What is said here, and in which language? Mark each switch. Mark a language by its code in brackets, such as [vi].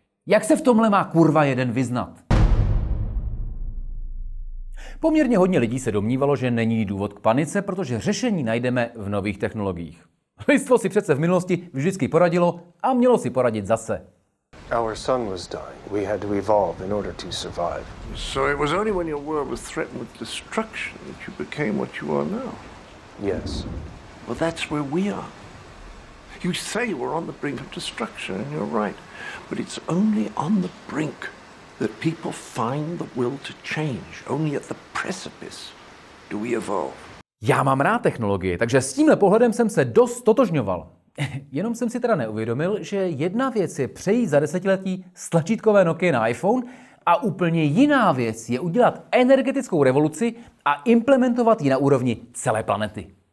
[cs] Jak se v tomhle má kurva jeden vyznat? Poměrně hodně lidí se domnívalo, že není důvod k panice, protože řešení najdeme v nových technologiích. Lidstvo si přece v minulosti vždycky poradilo a mělo si poradit zase. [en] Our sun was dying. We had to evolve in order to survive. So it was only when your world was threatened with destruction that you became what you are now. Yes. Well, that's where we are. You say we're on the brink of destruction, and you're right. But it's only on the brink that people find the will to change. Only at the precipice do we evolve. [cs] Já mám rád technologie, takže s tímhle pohledem jsem se dost totožňoval. Jenom jsem si teda neuvědomil, že jedna věc je přejít za desetiletí z tlačítkové Nokia na iPhone a úplně jiná věc je udělat energetickou revoluci a implementovat ji na úrovni celé planety.